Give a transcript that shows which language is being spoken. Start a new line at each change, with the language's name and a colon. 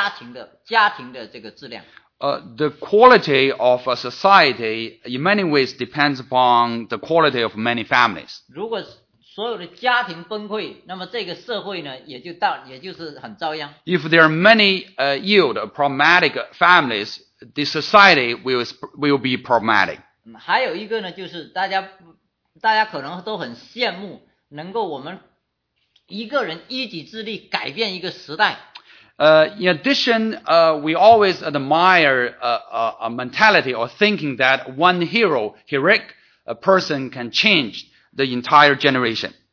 Chinese: 我们知道一个社会的整体的一个社会的质量，它取决于家庭的这个质量。
English: The quality of a society in many ways depends upon the quality of many families.
Chinese: 所有的家庭崩溃, 那么这个社会呢, 也就到, 也就是很遭殃。
English: If there are many yield problematic families, the society will be problematic.
Chinese: 还有一个呢, 就是大家可能都很羡慕, 能够我们一个人一己之力改变一个时代。
English: In addition, we always admire a mentality or thinking that one hero, heroic person can change the entire generation.